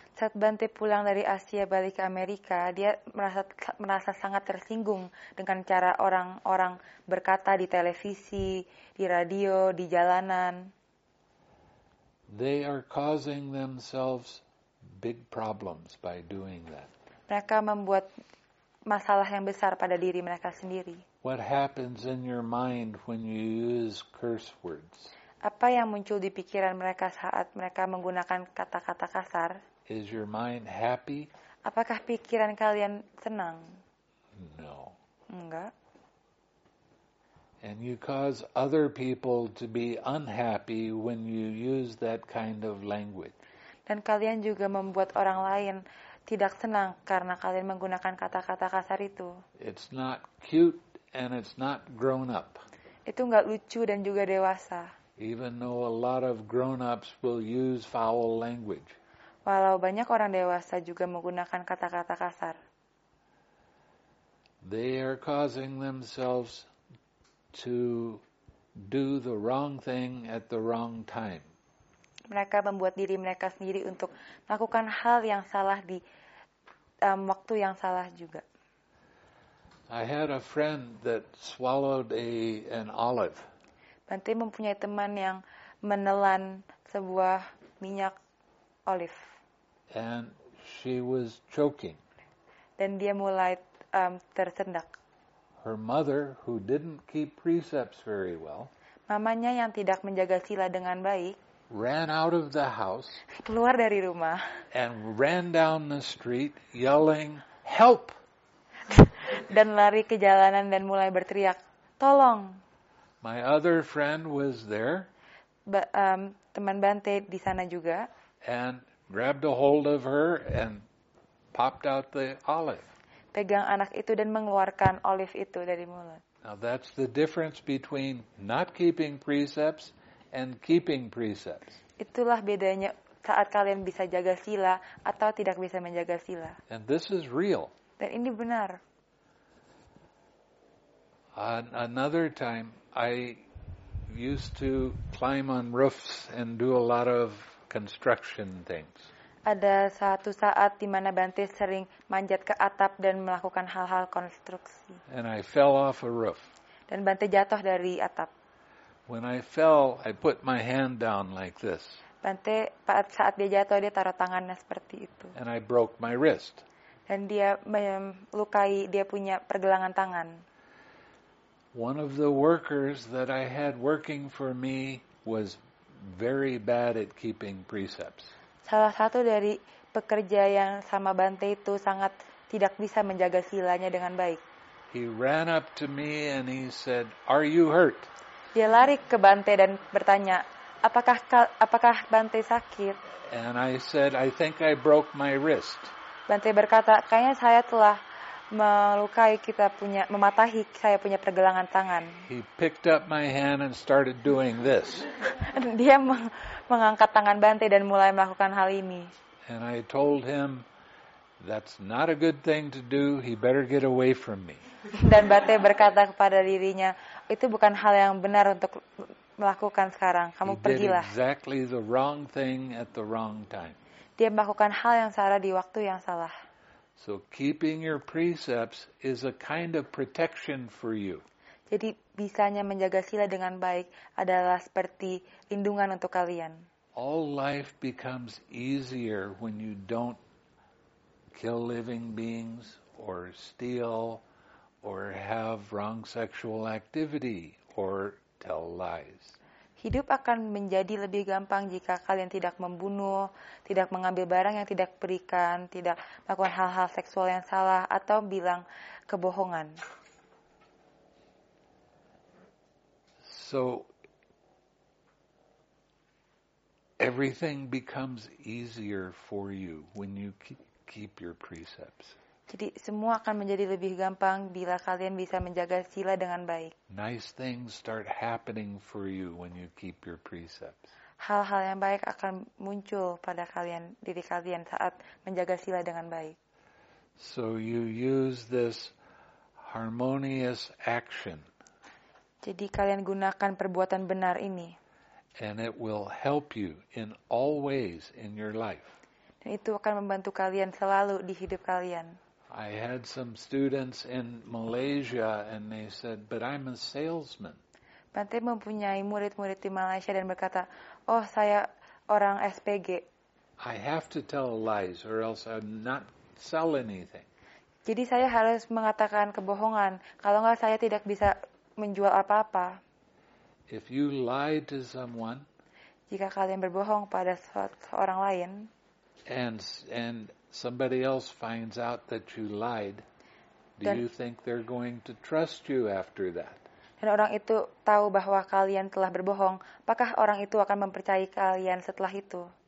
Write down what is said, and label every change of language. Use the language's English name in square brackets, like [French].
[Indonesian] Saat Bante pulang dari Asia balik ke Amerika, dia merasa sangat tersinggung dengan cara orang-orang berkata di televisi, di radio, di jalanan. [English] They are causing themselves big problems by doing that. [Indonesian] Mereka membuat masalah yang besar pada diri mereka sendiri. [English] What happens in your mind when you use curse words? [Indonesian] Apa yang muncul di pikiran mereka saat mereka menggunakan kata-kata kasar? [English] Is your mind happy? [Indonesian] Apakah pikiran kalian tenang? [English] No. [Indonesian] Enggak. [English] And you cause other people to be unhappy when you use that kind of language. [Indonesian] Dan kalian juga membuat orang lain tidak senang karena kalian menggunakan kata-kata kasar itu. [English] It's not cute and it's not grown up. [Indonesian] Itu enggak lucu dan juga dewasa. [English] Even though a lot of grown-ups will use foul language. [Indonesian] Walau banyak orang dewasa juga menggunakan kata-kata kasar. [English] They are causing themselves to do the wrong thing at the wrong time. [Indonesian] Mereka membuat diri mereka sendiri untuk melakukan hal yang salah di waktu yang salah juga. [English] I had a friend that swallowed an olive. [Indonesian] Bante mempunyai teman yang menelan sebuah minyak olive. [English] And she was choking. [Indonesian] Dan dia mulai tersendak. [English] Her mother, who didn't keep precepts very well, [Indonesian] mamanya yang tidak menjaga sila dengan baik, [English] ran out of the house, [Indonesian] keluar dari rumah, [English] and ran down the street yelling, "Help!" [Indonesian] Dan lari ke jalanan dan mulai berteriak, "Tolong!" [English] My other friend was there. [Indonesian] Teman Bante di sana juga. [English] And grabbed a hold of her and popped out the olive. [Indonesian] Pegang anak itu dan mengeluarkan olive itu dari mulut. [English] Now that's the difference between not keeping precepts and keeping precepts. [Indonesian] Itulah bedanya saat kalian bisa jaga sila atau tidak bisa menjaga sila. [English] And this is real. [Indonesian] Dan ini benar. [English] On another time, I used to climb on roofs and do a lot of construction things. [Indonesian] Ada satu saat di mana Bante sering manjat ke atap dan melakukan hal-hal konstruksi. [English] And I fell off a roof. [Indonesian] Dan Bante jatuh dari atap. [English] When I fell, I put my hand down like this. [Indonesian] Bante saat dia jatuh dia taruh tangannya seperti itu. [English] And I broke my wrist. [Indonesian] Dan dia melukai dia punya pergelangan tangan. [English] One of the workers that I had working for me was very bad at keeping precepts. [Indonesian] Salah satu dari pekerja yang sama Bante itu sangat tidak bisa menjaga silanya dengan baik. [English] He ran up to me and he said, "Are you hurt?" [Indonesian] Dia lari ke Bante dan bertanya, apakah Bante sakit? [English] And I said, "I think I broke my wrist." [Indonesian] Bante berkata, kayaknya saya telah melukai kita punya mematahi saya punya pergelangan tangan. [English] He picked up my hand and started doing this. [Indonesian] Dia mengangkat tangan Bante dan mulai melakukan hal ini. [English] And I told him that's not a good thing to do. He better get away from me. [Indonesian] Dan Bante berkata kepada dirinya, itu bukan hal yang benar untuk melakukan sekarang. Kamu pergilah. [English] He did exactly the wrong thing at the wrong time. [Indonesian] Dia melakukan hal yang salah di waktu yang salah. [English] So keeping your precepts is a kind of protection for you. [Indonesian] Jadi bisanya menjaga sila dengan baik adalah seperti lindungan untuk kalian. [English] All life becomes easier when you don't kill living beings or steal or have wrong sexual activity or tell lies. [Indonesian] Hidup akan menjadi lebih gampang jika kalian tidak membunuh, tidak mengambil barang yang tidak diberikan, tidak melakukan hal-hal seksual yang salah, atau bilang kebohongan. [English] So, everything becomes easier for you when you keep your precepts. [Indonesian] Jadi semua akan menjadi lebih gampang bila kalian bisa menjaga sila dengan baik. [English] Nice things start happening for you when you keep your precepts. [Indonesian] hal-hal yang baik akan muncul pada kalian, diri kalian saat menjaga sila dengan baik. [English] So you use this harmonious action. [Indonesian] Jadi kalian gunakan perbuatan benar ini. [English] And it will help you in all ways in your life. [Indonesian] Dan itu akan membantu kalian selalu di hidup kalian. [English] I had some students in Malaysia and they said, "But I'm a salesman." [Indonesian] Pantai mempunyai murid-murid di Malaysia dan berkata, "Oh, saya orang SPG." [English] I have to tell lies or else I'm not sell anything. [Indonesian] Jadi saya harus mengatakan kebohongan. Kalau enggak saya tidak bisa menjual apa-apa. [English] If you lie to someone, [Indonesian] jika kalian berbohong pada seorang lain, [English] and somebody else finds out that you lied, do you think they're going to trust you after that? [Indonesian] Dan orang itu tahu bahwa kalian telah berbohong, apakah orang itu akan mempercayai kalian setelah itu?